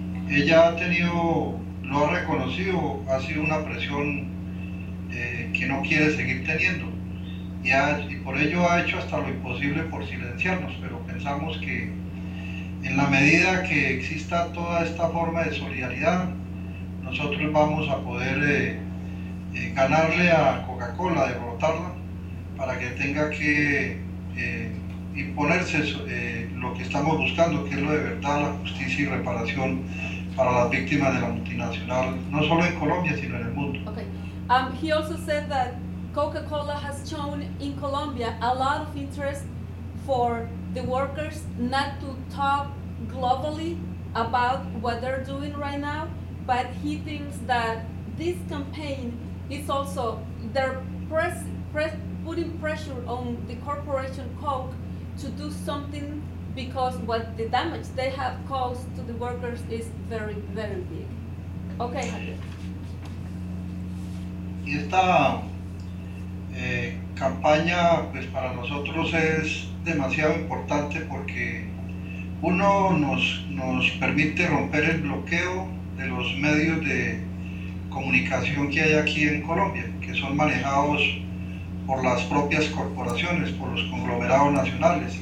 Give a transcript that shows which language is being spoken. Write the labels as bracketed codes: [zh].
[es] Ella ha tenido, lo ha reconocido, ha sido una presión que no quiere seguir teniendo, y por ello ha hecho hasta lo imposible por silenciarnos, pero pensamos que en la medida que exista toda esta forma de solidaridad, nosotros vamos a poder ganarle a Coca-Cola, derrotarla, para que tenga que imponerse lo que estamos buscando, que es lo de verdad, la justicia y reparación para las víctimas de la multinacional, no solo en Colombia, sino en el mundo. [en] Okay. He also said that Coca-Cola has shown in Colombia a lot of interest for the workers not to talk globally about what they're doing right now, but he thinks that this campaign is also, they're putting pressure on the corporation Coke to do something, because what the damage they have caused to the workers is very, very big. Okay, Javier. [es] Y esta campaña, pues para nosotros es demasiado importante, porque uno nos permite romper el bloqueo de los medios de comunicación que hay aquí en Colombia, que son manejados por las propias corporaciones, por los conglomerados nacionales.